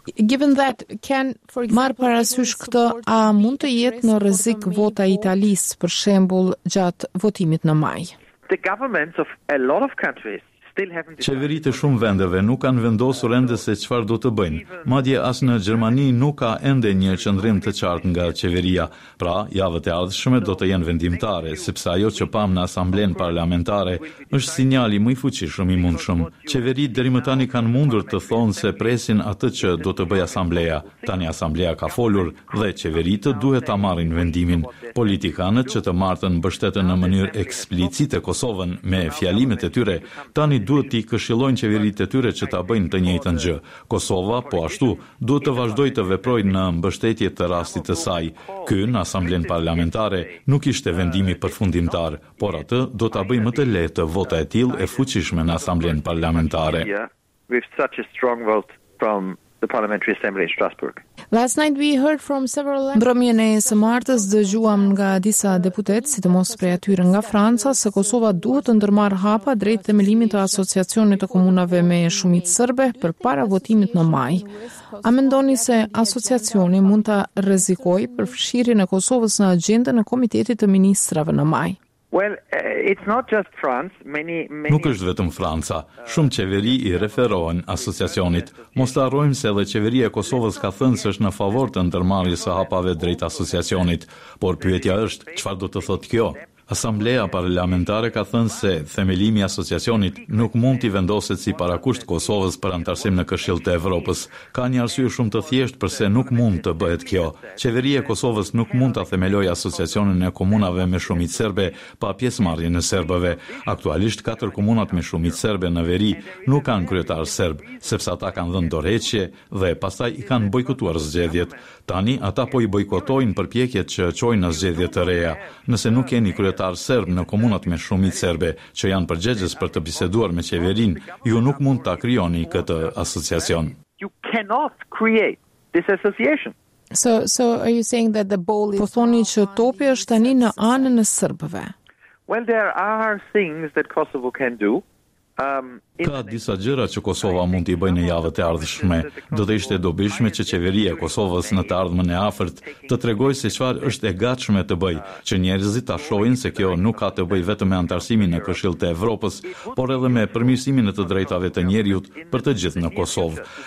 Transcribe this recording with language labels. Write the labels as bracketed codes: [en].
[en] Given that can for example, [sq] marë parasysh këtë, a mund të jetë në rrezik vota Italisë për shembull gjatë votimit në maj? [en] The governments of a lot of countries [sq] Qeveritë e shumë vendeve nuk kanë vendosur ende se çfarë do të bëjnë. Madje as në Gjermani nuk ka ende një qëndrim të qartë nga qeveria. Pra, javët e ardhshme do të jenë vendimtare, sepse ajo që pam në asamblenë parlamentare është sinjali më i fuqishëm i mundshëm. Qeveritë deri më tani kanë mundur të thonë se presin atë që do të bëjë asambleja. Tani asambleja ka folur dhe qeveritë duhet ta marrin vendimin. Politikanët që të martën mbështetën në mënyrë eksplicite Kosovën me fjalimet e tyre, tani duhet t'i këshillojnë qeveritë e tyre që ta bëjnë të njëjtën gjë. Kosova, po ashtu, duhet të vazhdojë të veprojë në mbështetje të rastit të saj. Ky në asamblenë parlamentare nuk ishte vendimi përfundimtar, por atë do ta bëjë më të lehtë vota e tillë e fuqishme në asamblenë parlamentare. [en] With such a strong vote from the Parliamentary Assembly in Strasbourg. Last night we heard from several. [sq] Mbrëmjen e së martës dëgjuam nga disa deputet, si të mos prej atyre nga Franca, se Kosova duhet të ndërmarë hapa drejt themelimit të asociacionit të komunave me shumicë serbe për para votimit në maj. A mendoni se asociacioni mund të rrezikojë përfshirjen e Kosovës në agjendën e Komitetit të Ministrave në maj? [en] Well, it's not just France. Many [sq] Nuk është vetëm Franca. Shumë qeveri i referohen asociacionit. Mos të harrojmë se edhe qeveria e Kosovës ka thënë se është në favor të ndërmarrjes së hapave drejt asociacionit, por pyetja është çfarë do të thotë kjo? Asambleja parlamentare ka thënë se themelimi i asociacionit nuk mund t'i vendoset si parakusht Kosovës për antarësim në Këshill të Evropës. Ka një arsye shumë të thjeshtë përse nuk mund të bëhet kjo. Qeveria e Kosovës nuk mund ta themelojë asociacionin e komunave me shumicë serbe pa pjesëmarrjen e serbëve. Aktualisht katër komunat me shumicë serbe në veri nuk kanë kryetar serb, sepse ata kanë dhënë dorëheqje dhe pastaj i kanë bojkotuar zgjedhjet. Tani ata po i bojkotojnë përpjekjet që çojnë në zgjedhje të reja. Nëse nuk keni kryetar serb në komunat me shumicë serbe që janë përgjegjës për të biseduar me qeverin, ju nuk mund ta krijoni këtë asociacion. [en] You cannot create this association. So are you saying that the ball is... [sq] Po thoni që topi është tani në anën e serbëve. [en] Well, there are things that Kosovo can do. [sq] Ka disa gjëra që Kosova mund t'i bëjë në javët e ardhshme. Do të ishte dobishme që qeveria e Kosovës në të ardhmen e afërt të tregojë se çfarë është e gatshme të bëjë, që njerëzit ta shohin se kjo nuk ka të bëjë vetëm me antarësimin në Këshillin e Evropës, por edhe me përmirësimin e të drejtave të njerëzit për të gjithë në Kosovë.